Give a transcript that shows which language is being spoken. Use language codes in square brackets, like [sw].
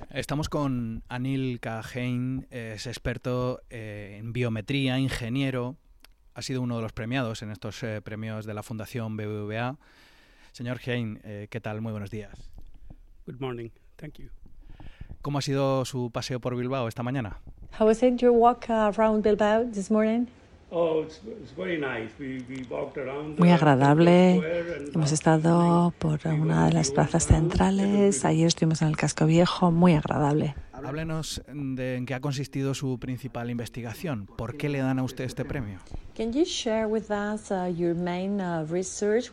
[es] Estamos con Anil Kahane, es experto en biometría, ingeniero. Ha sido uno de los premiados en estos premios de la Fundación BBVA. Señor Kahane, ¿qué tal? Muy buenos días. [en] Good morning. Thank you. [es] ¿Cómo ha sido su paseo por Bilbao esta mañana? [en] How was it, your walk around Bilbao this morning? Oh, it's very nice. We walked around. [es] Muy agradable. Hemos estado por una de las plazas centrales. Ayer estuvimos en el casco viejo. Muy agradable. Háblenos de en qué ha consistido su principal investigación. ¿Por qué le dan a usted este premio? [en] Can you share with us your main research?